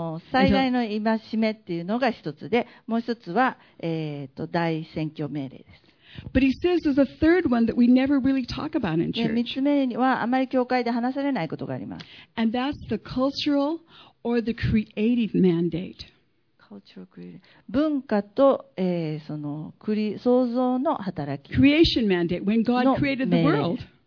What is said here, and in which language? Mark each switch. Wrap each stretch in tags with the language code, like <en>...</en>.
<ja>最大の戒めっていうのが一つで、もう一つは、大宣教命令です。</ja> <en>But he says there's a third one that we never really talk about in church.</en> <ja>三つ目にはあまり教会で話されないことがあります。</ja> <en>And that's the cultural or the creative mandate. Cultural creative.</en> <ja>文化と、その創造の働き。</ja> <en>Creation mandate when God created the world.</en>